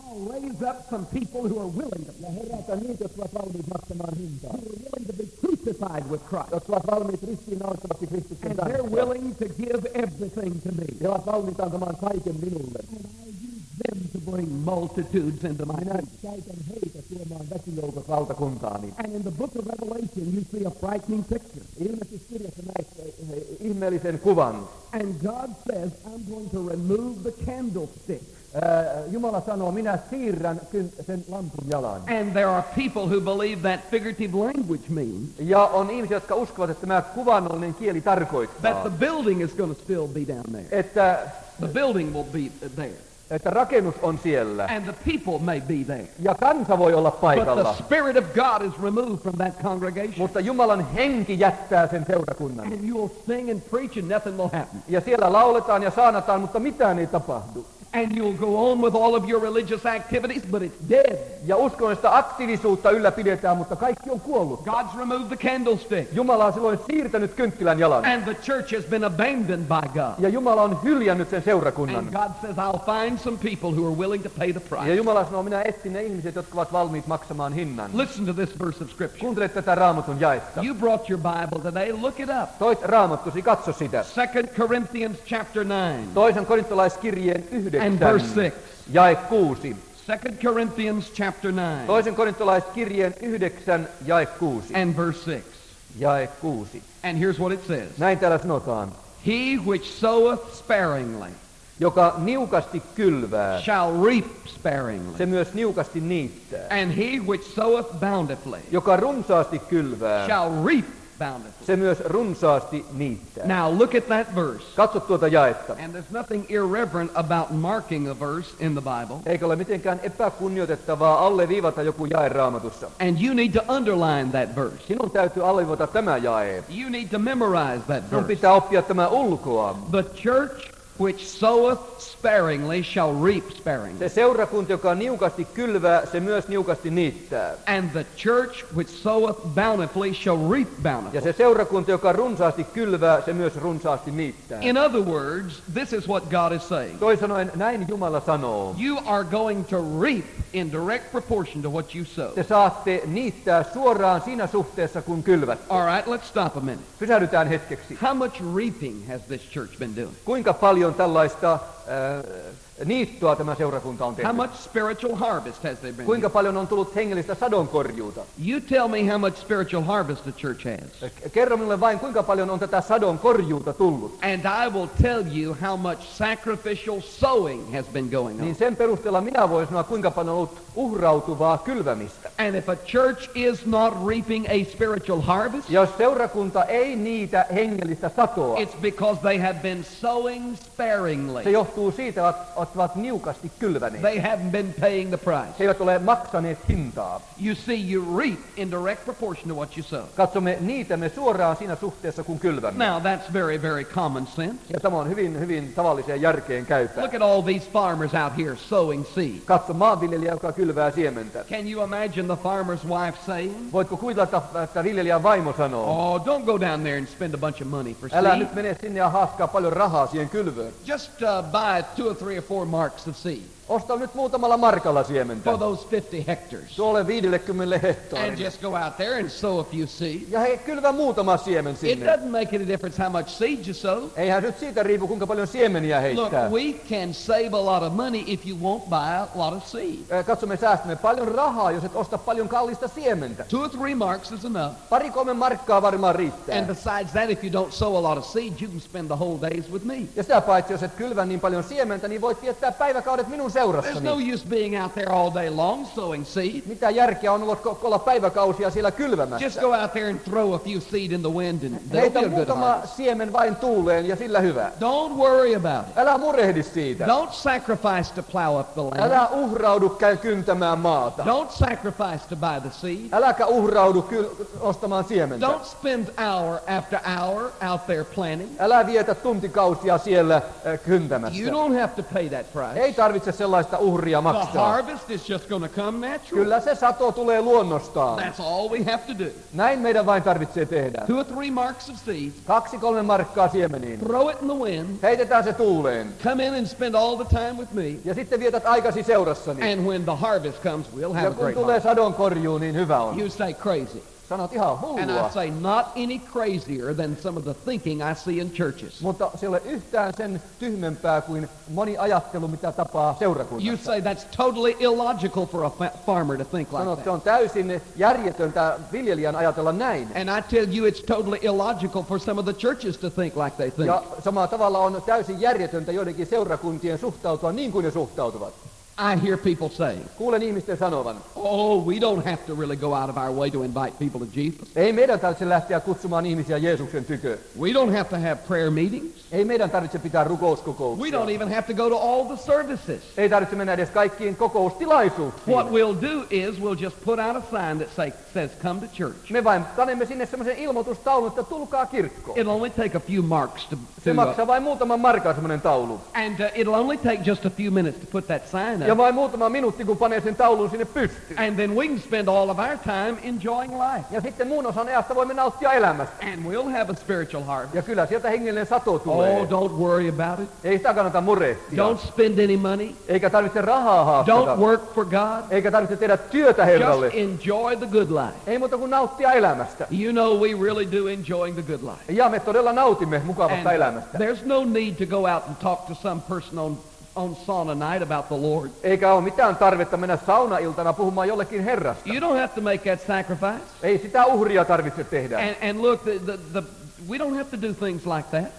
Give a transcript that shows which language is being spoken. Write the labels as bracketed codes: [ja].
[en] Raise up some people who are willing to. [fi] Ja herätä niitä, jotka ovat valmiit maksamaan hintaa. [en] Who are willing to be crucified with Christ. [fi] Jotka ovat valmiit ristiinnaulittavaksi Kristuksen kanssa. [en] And they're willing to give everything to me. [fi] He ovat valmiit antamaan kaiken minulle. [en] And I use them to bring multitudes into my name. [fi] Käytän heitä tuomaan väkijoukot valtakuntaani. [en] And in the book of Revelation you see a frightening picture. [fi] Ilmestyskirjassa näet ihmeellisen kuvan. [en] And God says, I'm going to remove the candlestick. [fi] Jumala sanoo, minä siirrän sen lampun jalan. [en] And there are people who believe that figurative language means. [fi] Ja on ihmisiä, jotka uskovat, että tämä kuvannollinen kieli tarkoittaa. [en] That the building is going to still be down there. [fi] Että [en] the building will be there. [fi] Että rakennus on siellä. [en] And the people may be there. [fi] Ja kansa voi olla paikalla. [en] But the spirit of God is removed from that congregation. [fi] Mutta Jumalan henki jättää sen seurakunnan. [en] And you will sing and preach and nothing will happen. [fi] Ja siellä lauletaan ja saarnataan, mutta mitään ei tapahdu. [en] And you'll go on with all of your religious activities, but it's dead. [fi] Ja uskon, että aktiivisuutta ylläpidetään, mutta kaikki on kuollut. [en] God's removed the candlestick. [fi] Jumala on silloin siirtänyt kynttilän jalan. [en] And the church has been abandoned by God. [fi] Ja Jumala on hyljännyt sen seurakunnan. [en] And God says, I'll find some people who are willing to pay the price. [fi] Ja Jumala sanoo, minä etsin ne ihmiset, jotka ovat valmiit maksamaan hinnan. [en] Listen to this verse of scripture. [fi] Kuuntele tätä Raamatun jaetta. [en] You brought your Bible today. Look it up. [fi] Toit Raamattusi, katso sitä. [en] 2 Corinthians chapter 9. [fi] Toisen korintolaiskirjeen 9. [en] And verse 6. [fi] Jae 6. [en] 2 Corinthians chapter 9. [fi] Toisen korintolaiskirjeen 9 jae 6. [en] And verse 6. [fi] Jae 6. [en] And here's what it says. [fi] Näin täällä sanotaan. [en] He which soweth sparingly, [fi] joka niukasti kylvää, [en] shall reap sparingly. [fi] Se myös niukasti niittää. [en] And he which soweth bountifully, [fi] joka runsaasti kylvää, [en] shall reap. [fi] Se myös runsaasti niittää. [en] Now look at that verse. [fi] Katso tuota jaetta. [en] And there's nothing irreverent about marking a verse in the Bible. [fi] Eikä ole mitenkään epäkunnioitettavaa alleviivata joku jae Raamatussa. [en] And you need to underline that verse. [fi] Sinun täytyy alleviivata tämä jae. [en] You need to memorize that verse. [fi] Sinun pitää oppia tämä ulkoa. [en] The church which soweth sparingly shall reap sparingly. [fi] Se seurakunta, joka niukasti kylvää, se myös niukasti niittää. [en] And the church which soweth bountifully shall reap bountifully. [fi] Ja se seurakunta, joka runsaasti kylvää, se myös runsaasti niittää. [en] In other words, this is what God is saying. [fi] Toisin sanoen, näin Jumala sanoo. [en] You are going to reap in direct proportion to what you sow. [fi] Te saatte niittää suoraan siinä suhteessa, kun kylvät. [en] All right, let's stop a minute. [fi] Pysähdytään hetkeksi. [en] How much reaping has this church been doing? [fi] Kuinka paljon tällaista niittoa tämä seurakunta on tehnyt? [en] How much spiritual harvest has they been? [fi] Kuinka paljon on tullut hengellistä sadonkorjuuta? [en] You tell me how much spiritual harvest the church has. [fi] Kerro minulle vain, kuinka paljon on tätä sadonkorjuuta tullut. [en] And I will tell you how much sacrificial sowing has been going on. [fi] Niin sen perusteella minä voin sanoa, kuinka paljon on ollut uhrautuvaa kylvämistä. [en] And if a church is not reaping a spiritual harvest, [fi] jos seurakunta ei niitä hengellistä satoa, [en] it's because they have been sowing sparingly. [fi] Se johtuu siitä, että ovat niukasti kylväneet. [en] They haven't been paying the price. [fi] He eivät ole maksaneet hintaa. [en] You see, you reap in direct proportion to what you sow. [fi] Katsomme niitämme suoraan siinä suhteessa, kun kylvämme. [en] Now that's very, very common sense. [fi] Ja tämä on hyvin, hyvin tavalliseen järkeen käytä. [en] Look at all these farmers out here sowing seed. [fi] Katso maanviljelijä, joka kylvää siementä. [en] Can you imagine the farmer's wife saying? [fi] Voitko kuvitella, että viljelijän vaimo sanoo? [en] Oh, don't go down there and spend a bunch of money for seed. [fi] Älä nyt mene sinne ja haaskaa paljon rahaa siihen kylvöön. [en] Just buy two or three or four marks of seed. [fi] Osta nyt muutamalla markalla siementä. [en] For those 50 hectares. [fi] Tuolle 50 hehtaarille. [en] And just go out there and sow a few seeds. [fi] Ja hei, kylvä muutama siemen sinne. [en] It doesn't make any difference how much seed you sow. [fi] Eihän nyt siitä riipu, kuinka paljon siemeniä heittää. [en] Look, we can save a lot of money if you won't buy a lot of seed. [fi] Katso, me säästämme paljon rahaa, jos et osta paljon kallista siementä. [en] Two or three marks is enough. [fi] Pari kolme markkaa varmaan riittää. [en] And besides that, if you don't sow a lot of seed, you can spend the whole days with me. [fi] Ja sitä paitsi, jos et kylvä niin paljon siementä, niin voit viettää päiväkaudet minun seurassani. [en] There's no use being out there all day long sowing seed. [fi] Mitä järkeä on ollut olla päiväkausia siellä kylvämässä? [en] Just go out there and throw a few seed in the wind and they'll be a good harvest. [fi] Heitä muutama siemen vain tuuleen ja sillä hyvä. [en] Don't worry about it. [fi] Älä murehdi siitä. [en] Don't sacrifice to plow up the land. [fi] Älä uhraudu kyntämään maata. [en] Don't sacrifice to buy the seed. [fi] Äläkä uhraudu ostamaan siementä. [en] Don't spend hour after hour out there planting. [fi] Älä vietä tuntikausia siellä kyntämässä. [en] You don't have to pay that price. [fi] Ei tarvitse sellaista uhria maksaa. [en] The harvest is just going to come naturally. [fi] Kyllä se sato tulee luonnostaan. [en] That's all we have to do. [fi] Näin meidän vain tarvitsee tehdä. [en] Two or three marks of seed. [fi] Kaksi kolme markkaa siemeniin. [en] Throw it in the wind. [fi] Heitetään se tuuleen. [en] Come in and spend all the time with me. [fi] Ja sitten vietät aikasi seurassani. [en] And when the harvest comes, we'll have a great [fi] harvest. Ja kun tulee sadon korjuu, niin hyvä on. [en] You say crazy. [fi] Sanot ihan hullua. [en] And I say not any crazier than some of the thinking I see in churches. [fi] Mutta siellä yhtään sen tyhmempää kuin moni ajattelu, mitä tapaa seurakunnassa. [en] You say that's totally illogical for a farmer to think like that. [fi] Se on täysin järjetöntä viljelijän ajatella näin. [en] And I tell you it's totally illogical for some of the churches to think like they think. [fi] Ja samalla tavalla on täysin järjetöntä joidenkin seurakuntien suhtautua niin kuin ne suhtautuvat. [en] I hear people saying, [fi] kuulen ihmisten sanovan, [en] oh, we don't have to really go out of our way to invite people to Jesus. [fi] Ei meidän tarvitse lähteä kutsumaan ihmisiä Jeesuksen tykö. [en] We don't have to have prayer meetings. [fi] Ei meidän tarvitse pitää rukouskokouksia. [en] We don't even have to go to all the services. [fi] Ei tarvitse mennä edes kaikkiin kokoustilaisuuksiin. [en] What we'll do is we'll just put out a sign that says come to church. [fi] Me vain panemme sinne semmoisen ilmoitustaulun, että tulkaa kirkkoon. [en] It'll only take a few marks to [fi] se maksaa vain muutaman markan semmoinen taulu. [en] And it'll only take just a few minutes to put that sign. [fi] Ja vain muutama minuutti, kun panee sen taulun sinne pystyyn. [en] And then we can spend all of our time enjoying life. [fi] Ja sitten muun osan ajasta voimme nauttia elämästä. [en] And we'll have a spiritual harvest. [fi] Ja kyllä sieltä hengellinen sato tulee. [en] Oh, don't worry about it. [fi] Ei sitä kannata murehtia. [en] Don't spend any money. [fi] Eikä tarvitse rahaa haastata. [en] Don't work for God. [fi] Eikä tarvitse tehdä työtä Herralle. [en] Just enjoy the good life. [fi] Ei muuta kuin nauttia elämästä. [en] You know, we really do enjoying the good life. [fi] Ja me todella nautimme mukavasta [en] and [fi] elämästä. [en] There's no need to go out and talk to some person on sauna night about the Lord. [fi] Eikä ole mitään tarvetta mennä saunailtana puhumaan jollekin Herrasta. [en] You don't have to make that sacrifice. [fi] Ei sitä uhria tarvitse tehdä. [en] And look, the we don't have to do things like that.